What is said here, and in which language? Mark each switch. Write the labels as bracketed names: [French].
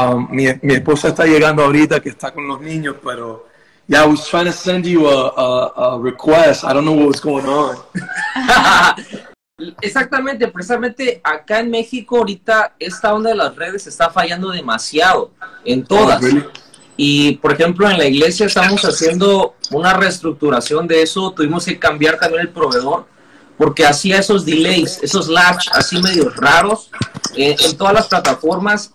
[Spanish] Mi esposa está llegando ahorita, que está con los niños, pero... [English] Yeah, I was trying to send you a request. I don't know what was going on. [Spanish] Exactamente, precisamente acá en México ahorita esta onda de las redes está fallando demasiado en todas. Y por ejemplo en la iglesia estamos haciendo una reestructuración de eso, tuvimos que cambiar también el proveedor porque hacía esos delays, esos lags así medio raros en todas las plataformas.